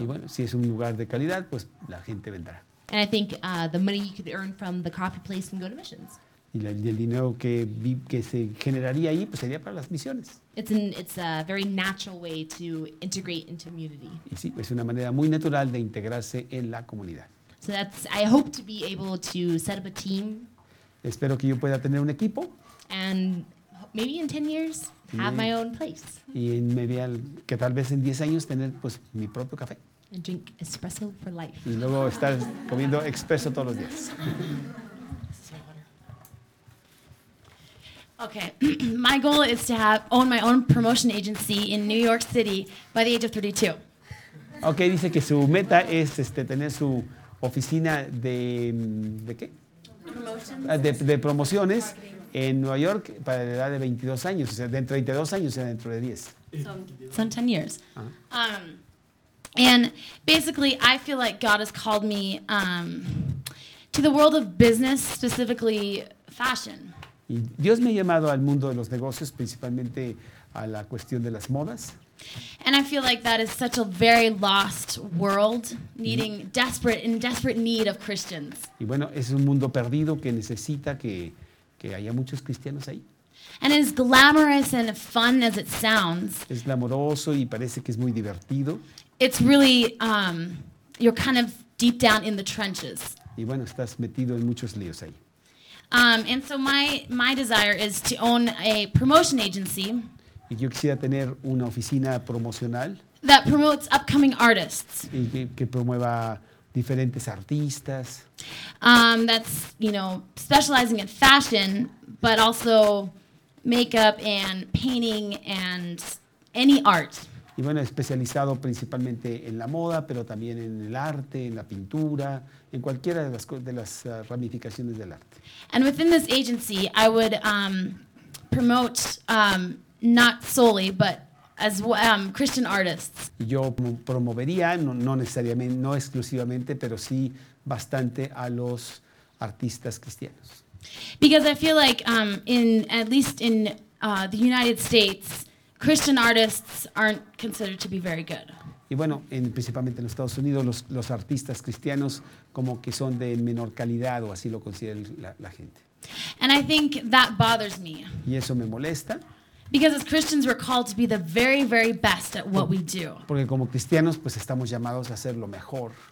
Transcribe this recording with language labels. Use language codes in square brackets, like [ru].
[es] Y bueno, si es un lugar de calidad, pues la gente vendrá. [en] And I think the money you could earn from the coffee place can go to missions. [es] Y el dinero que se generaría ahí, pues sería para las misiones. [en] It's a very natural way to integrate into community. [es] Y sí, es una manera muy natural de integrarse en la comunidad. [en] So that's, I hope to be able to set up a team. [es] Espero que yo pueda tener un equipo. [en] And maybe in 10 years, have my own place. [es] Y en media, que tal vez en 10 años, tener pues mi propio café. [en] And drink espresso for life. [es] Y luego estar comiendo espresso todos los días. [en] Okay, my goal is to own my own promotion agency in New York City by the age of 32. [es] Okay, dice que su meta es tener su oficina de qué? [en] Promotions. [es] De promociones en Nueva York para la edad de 22 años, o sea, dentro de 22 años, o sea, dentro de 10. [en] So 10 years. Uh-huh. And basically, I feel like God has called me to the world of business, specifically fashion. [es] Y Dios me ha llamado al mundo de los negocios, principalmente a la cuestión de las modas. [en] And I feel like that is such a very lost world, needing desperate need of Christians. [es] Y bueno, es un mundo perdido que necesita que haya muchos cristianos ahí. [en] And as glamorous and fun as it sounds. [es] Es glamoroso y parece que es muy divertido. [en] It's really you're kind of deep down in the trenches. [es] Y bueno, estás metido en muchos líos ahí. [en] And so my desire is to own a promotion agency. [es] Y yo quisiera tener una oficina promocional. [en] That promotes upcoming artists. [es] Y que promueva diferentes artistas. [en] That's specializing in fashion, but also makeup and painting and any art. [es] Y bueno, especializado principalmente en la moda, pero también en el arte, en la pintura, en cualquiera de las ramificaciones del arte. [en] And within this agency, I would promote not solely, but as Christian artists. [es] Yo promovería, no exclusivamente, pero sí bastante a los artistas cristianos. [en] Because I feel like, at least in the United States, Christian artists aren't considered to be very good. [es] Y bueno, principalmente en Estados Unidos, los artistas cristianos como que son de menor calidad, o así lo considera la gente. [en] And I think that bothers me. [es] Y eso me molesta. [en] Because as Christians, we're called to be the very, very best at what we do. [es] Porque como cristianos, pues estamos llamados a ser lo mejor.